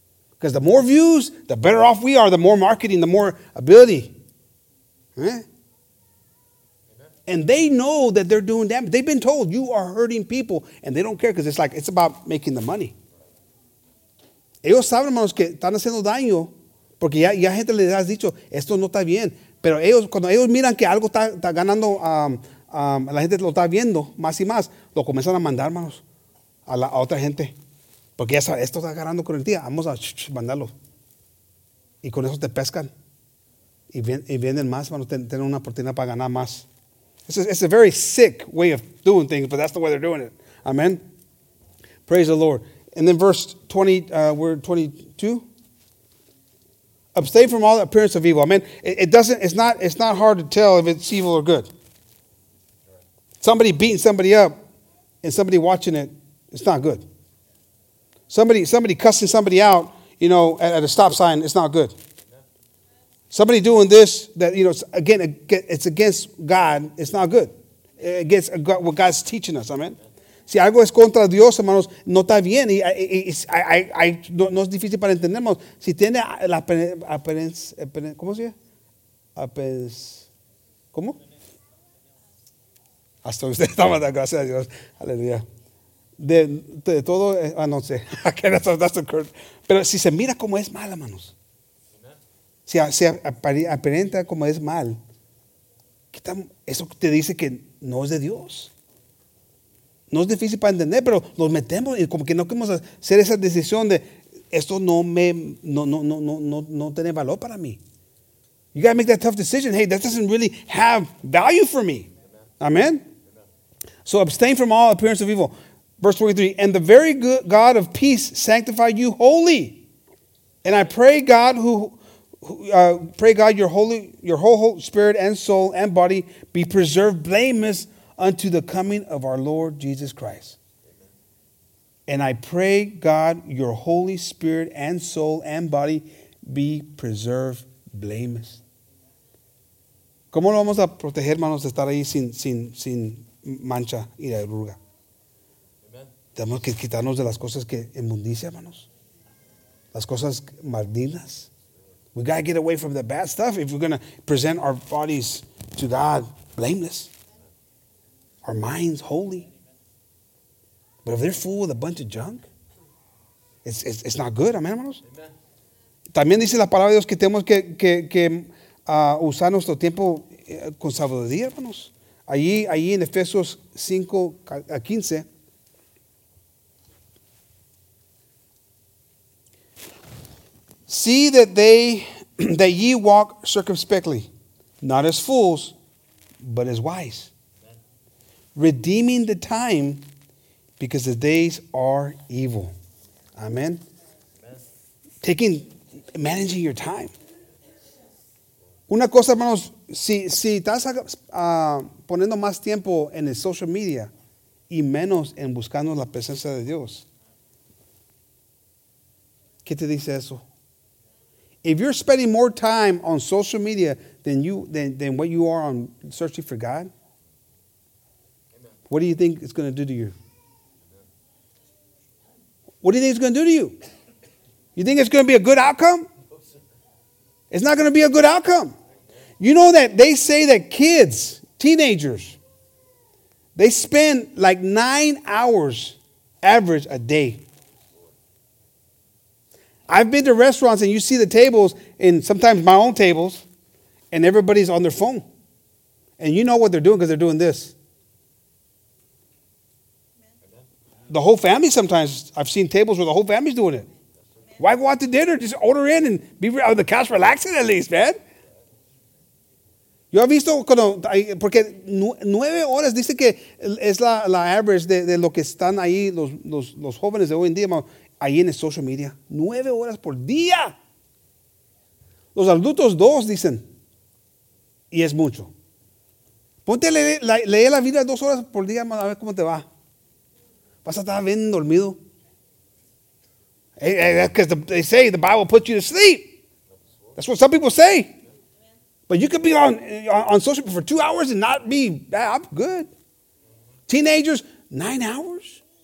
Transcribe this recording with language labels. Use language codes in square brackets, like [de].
[en] Because the more views, the better off we are, the more marketing, the more ability. And they know that they're doing damage. They've been told, you are hurting people. And they don't care because it's like, it's about making the money. [es] Ellos saben, hermanos, que están haciendo daño. Porque ya gente les ha dicho, esto no está bien. Pero ellos, cuando ellos miran que algo está ganando, la gente lo está viendo más y más, lo comienzan a mandar, hermanos, a otra gente. Porque ya sabe, esto está ganando con el día. Vamos a mandarlo. Y con eso te pescan. Y venden más, hermanos. Tienen una oportunidad para ganar más. [en] It's a very sick way of doing things, but that's the way they're doing it. Amen. Praise the Lord. And then verse 20, we're 22. Abstain from all appearance of evil. Amen. It's not hard to tell if it's evil or good. Somebody beating somebody up and somebody watching it, it's not good. Somebody cussing somebody out, you know, at a stop sign, it's not good. Somebody doing this that, you know, again, it's against God. It's not good. It's against what God's teaching us. Amen. [es] Si algo es contra Dios, hermanos, no está bien. Y no es difícil para entender, hermanos. Si tiene la apariencia, ¿cómo se dice? ¿Cómo? Hasta usted estaba de gracias a Dios. Aleluya. De todo, no sé. [en] That's the curse. [es] Pero si se mira como es mal, hermanos. Si se aparenta como es mal, eso te dice que no es de Dios. No es difícil para entender, pero nos metemos y como que no queremos hacer esa decisión de esto no tiene valor para mí. [en] You got to make that tough decision. Hey, that doesn't really have value for me. Amen. So abstain from all appearance of evil. Verse 23, and the very good God of peace sanctify you wholly. And I pray God your whole spirit and soul and body be preserved blameless unto the coming of our Lord Jesus Christ. And I pray, God, your holy spirit and soul and body be preserved blameless. [es] ¿Cómo lo vamos a proteger, hermanos, de estar ahí sin mancha y de arruga? Tenemos que quitarnos de las cosas que inmundicia, hermanos. Las cosas malditas. [en] We got to get away from the bad stuff if we're going to present our bodies to God blameless. Our minds holy. But if they're full with a bunch of junk, it's not good. [es] Amen, hermanos. También dice la palabra de Dios que tenemos que usar nuestro tiempo con sabiduría, hermanos. Allí en Efesios 5 a 15. [en] See that they... that ye walk circumspectly, not as fools, but as wise, redeeming the time, because the days are evil. Amen. Taking, managing your time. [es] Una cosa, hermanos, si estás poniendo más tiempo en el social media y menos en buscando la presencia de Dios, ¿qué te dice eso? [en] If you're spending more time on social media than what you are on searching for God, what do you think it's going to do to you? What do you think it's going to do to you? You think it's going to be a good outcome? It's not going to be a good outcome. You know that they say that kids, teenagers, they spend like 9 hours average a day. I've been to restaurants and you see the tables and sometimes my own tables and everybody's on their phone. And you know what they're doing because they're doing this. The whole family sometimes, I've seen tables where the whole family's doing it. Why go out to dinner? Just order in and be on the couch relaxing at least, man. [es] Yo he visto cuando, porque 9 horas dice que es la average de lo que están ahí los jóvenes de hoy en día, ahí en el social media. 9 horas por día. Los adultos 2 dicen, y es mucho. Ponte a leer la Biblia 2 horas por día, a ver cómo te va. Vas a estar bien dormido. [en] Because they say the Bible puts you to sleep. That's what some people say. But you could be on social media for 2 hours and not be, I'm good. Teenagers, 9 hours?